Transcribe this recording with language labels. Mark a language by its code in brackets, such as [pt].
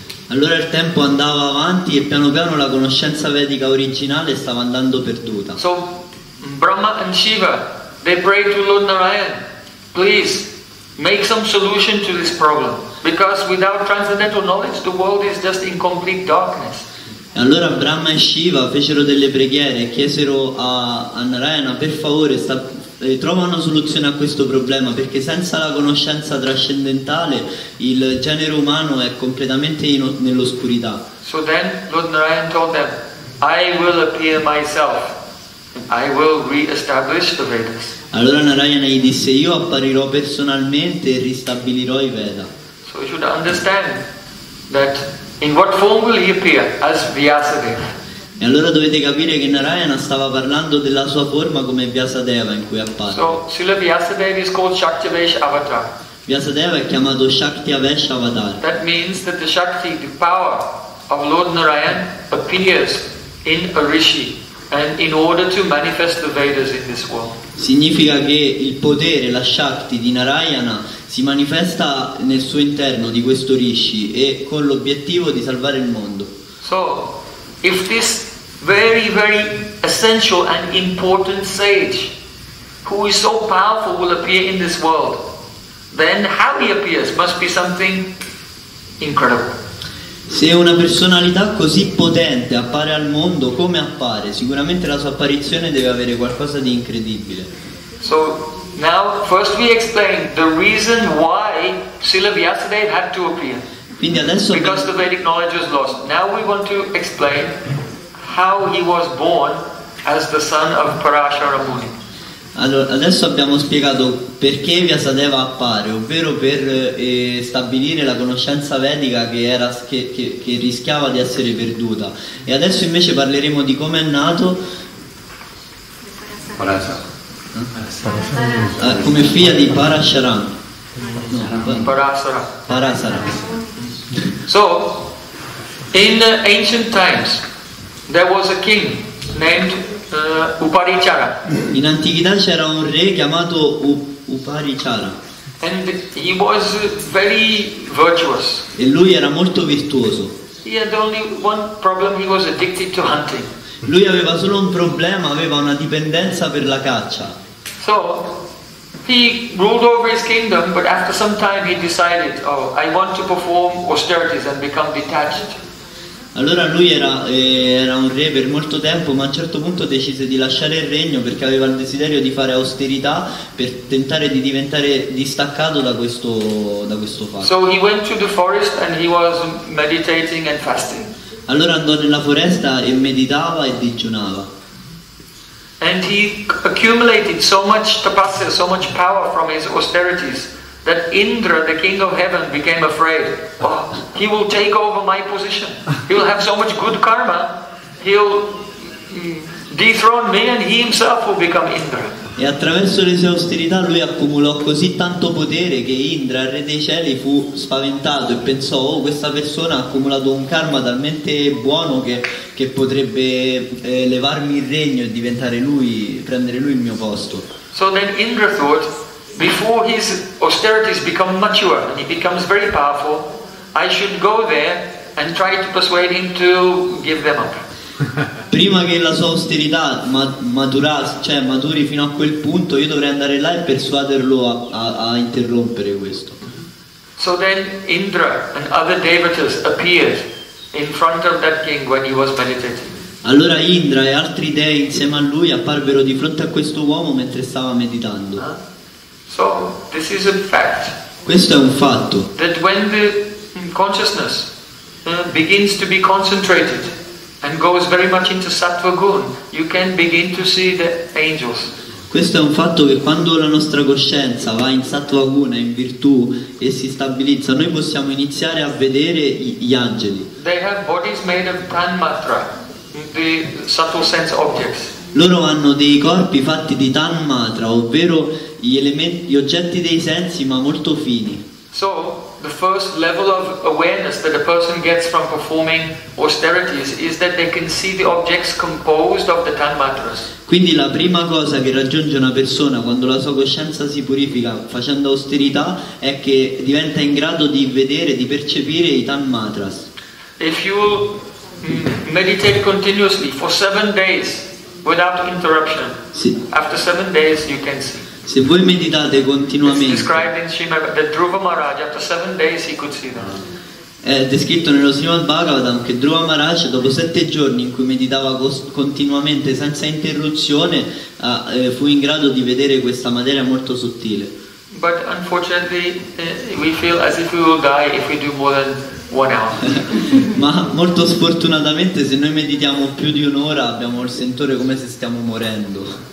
[it] Allora il tempo andava avanti e piano piano la conoscenza vedica originale stava andando perduta. [en] So Brahma and Shiva, they pray to Lord Narayan, please make some solution to this problem, because without transcendental knowledge the world is just in complete darkness. [it] Allora Brahma e Shiva fecero delle preghiere e chiesero a Narayana, per favore trova una soluzione a questo problema, perché senza la conoscenza trascendentale il genere umano è completamente nell'oscurità. [en] So then Lord Narayan told them, I will appear myself, I will re-establish the Vedas. [it] Allora Narayana gli disse, io apparirò personalmente e ristabilirò i Veda. [en] So you should understand that in what form will he appear as Vyasadeva. [it] E allora dovete capire che Narayana stava parlando della sua forma come Vyasadeva in cui appare. [en] So Srila Vyasadeva is called Shaktivesh Avatar. [it] Vyasadeva è chiamato Shaktivesh Avatar. [en] That means that the Shakti, the power of Lord Narayan appears in a Rishi. And in order to manifest the Vedas in this world. [it] Significa che il potere, la Shakti di Narayana si manifesta nel suo interno di questo Rishi e con l'obiettivo di salvare il mondo. [en] So, if this very very essential and important sage who is so powerful will appear in this world, then how he appears must be something incredible. [it] Se una personalità così potente appare al mondo, come appare? Sicuramente la sua apparizione deve avere qualcosa di incredibile. [en] So, now first we explain the reason why Srila Vyasadeva had to appear. [it] Quindi adesso [en] because the Vedic knowledge was lost. Now we want to explain how he was born as the son of Parashara Muni. [it] Allora, adesso abbiamo spiegato perché Vyasadeva appare, ovvero per stabilire la conoscenza vedica che rischiava di essere perduta. E adesso invece parleremo di come è nato. Come figlia di Parasharam. Parasara. [en] So, in ancient times, there was a king named Uparichara. [it] In antichità c'era un re chiamato Uparichara. [en] And he was very virtuous. [it] E lui era molto virtuoso. [en] He had only one problem, he was addicted to hunting. [it] Lui aveva solo un problema, aveva una dipendenza per la caccia. [en] So, he ruled over his kingdom, but after some time he decided, oh, I want to perform austerities and become detached. [it] Allora lui era un re per molto tempo, ma a un certo punto decise di lasciare il regno perché aveva il desiderio di fare austerità per tentare di diventare distaccato da questo fatto. [en] So he went to the forest and he was meditating and fasting. [it] Allora andò nella foresta e meditava e digiunava. [en] And he accumulated so much tapasya, so much power from his austerities, that Indra, the king of heaven, became afraid. Oh, he will take over my position. He will have so much good karma. He'll dethrone me and he himself will become Indra. [it] E attraverso le sue austerità lui accumulò così tanto potere che Indra, il re dei cieli, fu spaventato e pensò, oh, questa persona ha accumulato un karma talmente buono che potrebbe levarmi il regno e diventare lui, prendere lui il mio posto. [en] So then Indra thought, before his austerities become mature and he becomes very powerful, I should go there and try to persuade him to give them up. [it] Prima che la sua austerità maturi fino a quel punto, io dovrei andare là e persuaderlo a interrompere questo. [en] So then Indra and other devatas appeared in front of that king when he was meditating. [it] Allora Indra e altri dei insieme a lui apparvero di fronte a questo uomo mentre stava meditando. [en] So this is a fact. [it] Questo è un fatto. [en] That when the consciousness begins to be concentrated and goes very much into sattva gun, you can begin to see the angels. [it] Questo è un fatto che quando la nostra coscienza va in sattva gun, in virtù, e si stabilizza, noi possiamo iniziare a vedere gli angeli. [en] They have bodies made of tanmatra, the subtle sense objects. [it] Loro hanno dei corpi fatti di tanmatra, ovvero gli oggetti dei sensi, ma molto fini. [en] So, the first level of awareness that a person gets from performing austerities is that they can see the objects composed of the tanmatras. [it] Quindi la prima cosa che raggiunge una persona quando la sua coscienza si purifica facendo austerità è che diventa in grado di vedere, di percepire i tanmatras. [en] If you meditate continuously for 7 days without interruption, [it] sì. [en] After 7 days you can see. [it] Se voi meditate continuamente, [en] it's described in Srimad that Dhruva Maharaj after 7 days he could see them. [it] È descritto nello Srimad Bhagavatam che Dhruva Maharaj dopo 7 giorni in cui meditava continuamente senza interruzione fu in grado di vedere questa materia molto sottile. [en] But unfortunately we feel as if we will die if we do more than 1 hour. [it] Ma molto sfortunatamente se noi meditiamo più di un'ora abbiamo il sentore come se stiamo morendo.